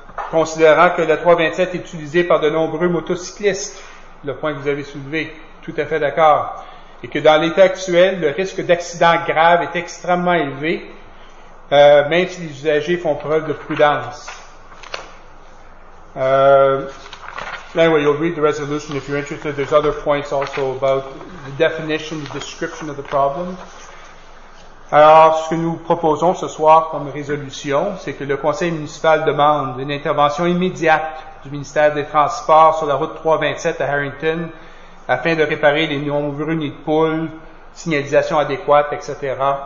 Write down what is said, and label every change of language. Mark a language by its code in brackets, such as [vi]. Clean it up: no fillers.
[fr] Considérant que la 327 est utilisée par de nombreux motocyclistes, le point que vous avez soulevé, tout à fait d'accord, et que dans l'état actuel, le risque d'accident grave est extrêmement élevé, même si les usagers font preuve de prudence. [en] Anyway, you'll read the resolution if you're interested. There's other points also about the definition, the description of the problem. [fr] Alors, ce que nous proposons ce soir comme résolution, c'est que le conseil municipal demande une intervention immédiate du ministère des Transports sur la route 327 à Harrington afin de réparer les nombreux nids de poules, signalisation adéquate, etc.